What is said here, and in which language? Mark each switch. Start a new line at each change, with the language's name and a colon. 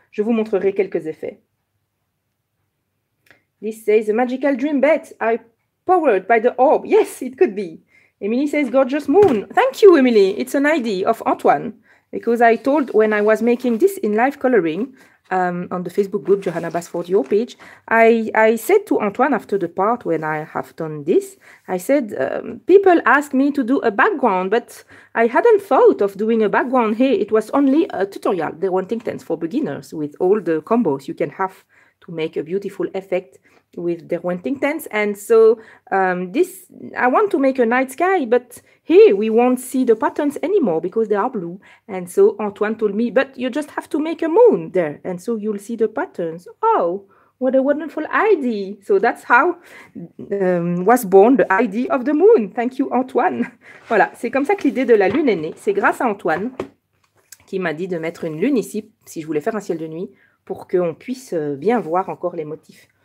French: Je vous montrerai quelques effets.
English: This says, a magical dream bed, I powered by the orb. Yes, it could be. Emily says, gorgeous moon. Thank you, Emily. It's an idea of Antoine. Because I told when I was making this in live coloring, on the Facebook group, Johanna Basford, your page, I said to Antoine after the part when I have done this, I said, people asked me to do a background, but I hadn't thought of doing a background here. It was only a tutorial. They wanted tents for beginners with all the combos you can have to make a beautiful effect with the Derwenting tents. And so this, I want to make a night sky, but here we won't see the patterns anymore because they are blue. And so Antoine told me, but you just have to make a moon there. And so you'll see the patterns. Oh, what a wonderful idea. So that's how was born the idea of the moon. Thank you, Antoine.
French: Voilà, c'est comme ça que l'idée de la lune est née. C'est grâce à Antoine qui m'a dit de mettre une lune ici si je voulais faire un ciel de nuit pour qu'on puisse bien voir encore les motifs.